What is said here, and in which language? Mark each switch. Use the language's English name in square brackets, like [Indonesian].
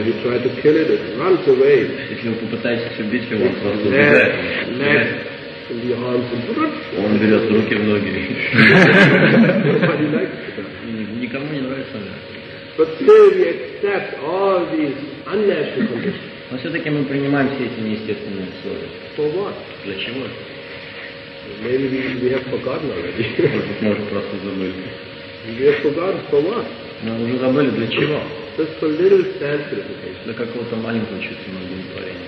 [English] If you try to kill it, it runs away. [Russian] Если вы попытаетесь убить его, он просто убегает. [English] Left. Left. [Russian] Он берет руки в ноги. [English] Nobody likes it. [Russian] Никому не нравится. Да? [English] But still we accept all these unnatural conditions. [Russian] Но все-таки мы принимаем все эти неестественные условия. [English] For what? [Russian] Для чего? [English] Maybe we have forgotten already. [Russian] Может, просто забыли. [English] We have forgotten for what? [Russian] Мы уже забыли для чего? [English] Just for little self-gratification. [Russian] Для какого-то маленького чувственного удовлетворения.